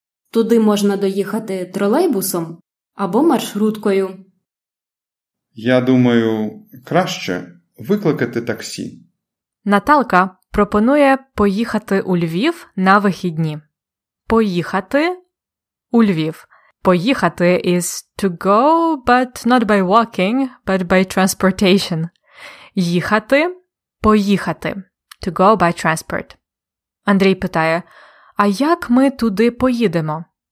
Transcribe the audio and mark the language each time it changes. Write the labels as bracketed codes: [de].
[uk] Туди можна доїхати тролейбусом або маршруткою. Я думаю, краще викликати таксі. Наталка пропонує поїхати у Львів на вихідні. Поїхати у Львів. [en] Поїхати is to go, but not by walking, but by transportation. [uk] Їхати – поїхати. [en] To go by transport. [uk] Андрій питає, а як ми туди поїдемо?